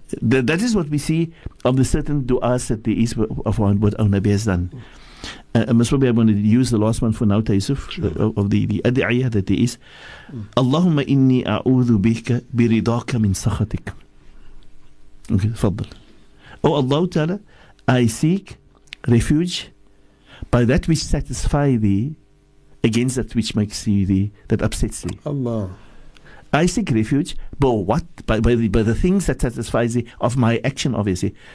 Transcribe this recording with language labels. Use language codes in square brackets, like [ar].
[en] That is what we see of the certain du'as that there is of what our Nabi has done. Maswabi, I'm going to use the last one for now, Tayyusuf, of the adi'iyah that there is. [ar] اللهم إني أعوذ بك برضاك من سخطك. [en] Okay, تفضل. Oh Allah Ta'ala, I seek refuge by that which satisfy thee against that which makes you the that upsets thee. Allah. I seek refuge, but what? By the things that satisfies thee of my action, obviously.